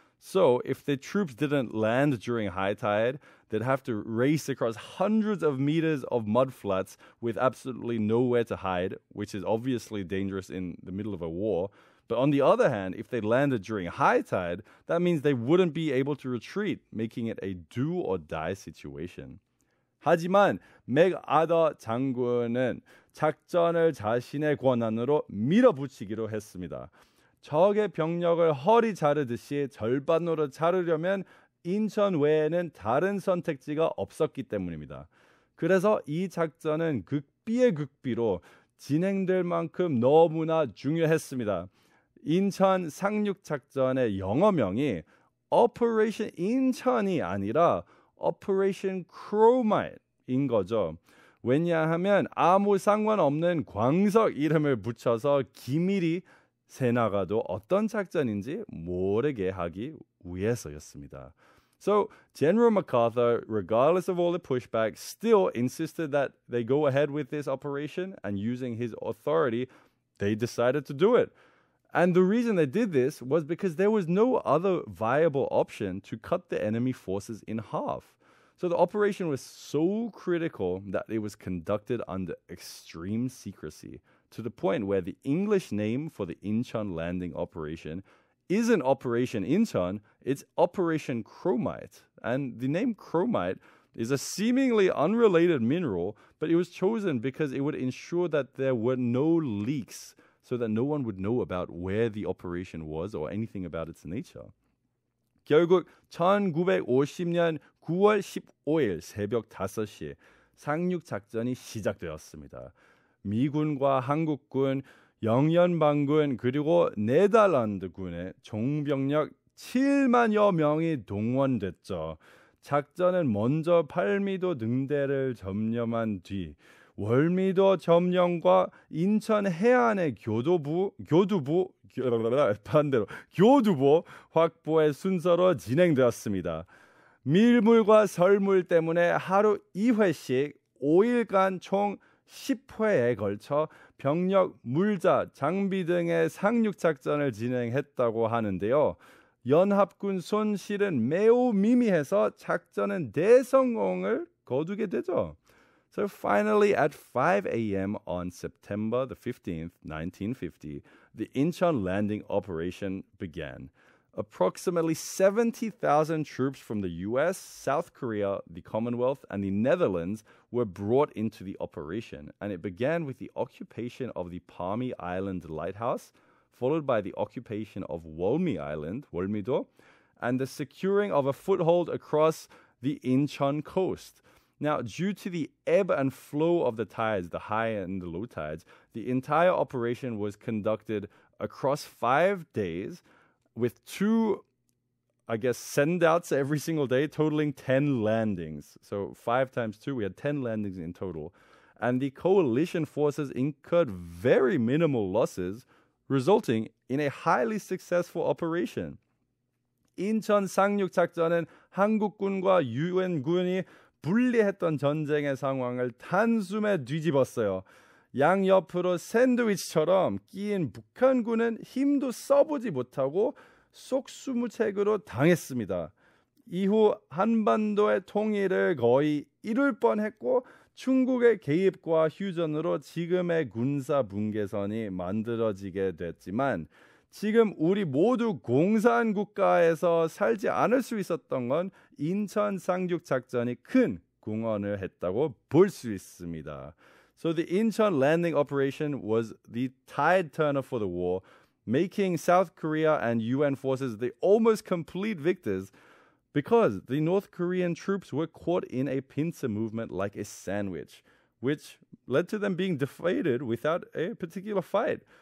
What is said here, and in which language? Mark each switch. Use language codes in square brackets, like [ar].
[en] So, if the troops didn't land during high tide, they'd have to race across hundreds of meters of mud flats with absolutely nowhere to hide, which is obviously dangerous in the middle of a war. But on the other hand, if they landed during high tide, that means they wouldn't be able to retreat, making it a do-or-die situation. [ko] 하지만 맥아더 장군은 작전을 자신의 권한으로 밀어붙이기로 했습니다. 적의 병력을 허리 자르듯이 절반으로 자르려면 인천 외에는 다른 선택지가 없었기 때문입니다. 그래서 이 작전은 극비의 극비로 진행될 만큼 너무나 중요했습니다. 인천 상륙 작전의 영어명이 Operation 인천이 아니라 Operation Chromite인 거죠. 왜냐하면 아무 상관없는 광석 이름을 붙여서 기밀이 새나가도 어떤 작전인지 모르게 하기 위해서였습니다. [en] So General MacArthur, regardless of all the pushback, still insisted that they go ahead with this operation and using his authority, they decided to do it. And the reason they did this was because there was no other viable option to cut the enemy forces in half. So the operation was so critical that it was conducted under extreme secrecy, to the point where the English name for the Incheon landing operation isn't Operation Incheon, it's Operation Chromite. And the name Chromite is a seemingly unrelated mineral, but it was chosen because it would ensure that there were no leaks so that no one would know about where the operation was or anything about its nature. [ko] 결국 1950년 9월 15일 새벽 5시 상륙 작전이 시작되었습니다. 미군과 한국군, 영연방군 그리고 네덜란드군의 총병력 7만여 명이 동원됐죠. 작전은 먼저 팔미도 능대를 점령한 뒤 월미도 점령과 인천 해안의 교두보 확보의 순서로 진행되었습니다. 밀물과 설물 때문에 하루 2회씩 5일간 총 10회에 걸쳐 병력, 물자, 장비 등의 상륙 작전을 진행했다고 하는데요. 연합군 손실은 매우 미미해서 작전은 대성공을 거두게 되죠. [en] So finally at 5 a.m. on September the 15th, 1950, the Incheon landing operation began. Approximately 70,000 troops from the U.S., South Korea, the Commonwealth, and the Netherlands were brought into the operation, and it began with the occupation of the Palmy Island Lighthouse, followed by the occupation of Wolmi Island, Wolmido, and the securing of a foothold across the Incheon coast. Now, due to the ebb and flow of the tides, the high and the low tides, the entire operation was conducted across 5 days with two, I guess, send-outs every single day, totaling 10 landings. So 5 times 2, we had 10 landings in total. And the coalition forces incurred very minimal losses, resulting in a highly successful operation. [ko] 인천 상륙 작전은 한국군과 유엔군이 불리했던 전쟁의 상황을 단숨에 뒤집었어요. 양옆으로 샌드위치처럼 끼인 북한군은 힘도 써보지 못하고 속수무책으로 당했습니다. 이후 한반도의 통일을 거의 이룰 뻔했고 중국의 개입과 휴전으로 지금의 군사 분계선이 만들어지게 됐지만 지금 우리 모두 공산 국가에서 살지 않을 수 있었던 건 인천 상륙 작전이 큰 공헌을 했다고 볼 수 있습니다. [en] So the Incheon landing operation was the tide turner for the war, making South Korea and UN forces the almost complete victors because the North Korean troops were caught in a pincer movement like a sandwich, which led to them being defeated without a particular fight.